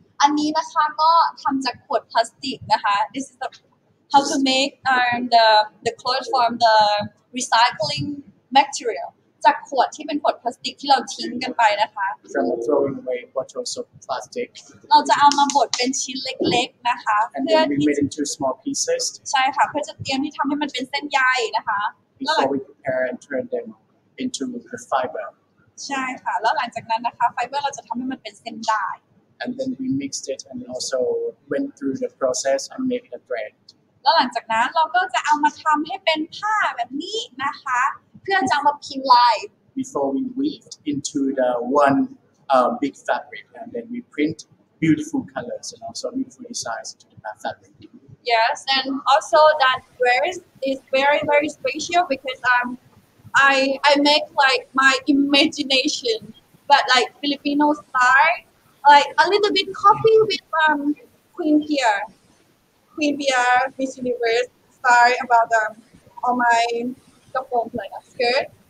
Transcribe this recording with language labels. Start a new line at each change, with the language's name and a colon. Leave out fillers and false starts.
Thai: อันนี้นะคะก็ทำจากขวดพลาสติกนะคะ
English: This is the how to make the clothes from the recycling material
Thai: จากขวดที่เป็นขวดพลาสติกที่เราทิ้งกันไปนะคะ
English: From throwing away bottles of plastic
Thai: เราจะเอามาบดเป็นชิ้นเล็กๆนะคะเ
English: พื่อ make into small pieces
Thai: ใช่ค่ะเพื่อจะเตรียมที่ทำให้มันเป็นเส้นใยนะคะ
English: Before we prepare and turn them into the fiber
Thai: ใช่ค่ะแล้วหลังจากนั้นนะคะไฟเบอร์เราจะทำให้มันเป็นเส้นได้
English: and then we mixed it and also went through the process and made it a thread
Thai: แล้วหลังจากนั้นเราก็จะเอามาทำให้เป็นผ้าแบบนี้นะคะเพื่อจะเอามาพิมพ์ลาย
English: before we weave into the one big fabric and then we print beautiful colors and also beautiful designs to the fabric yes and also that dress is very very special because I make like my imagination, but like Filipino style, like a little bit copy with Queen Pia, Miss Universe style about on my gown, like a skirt,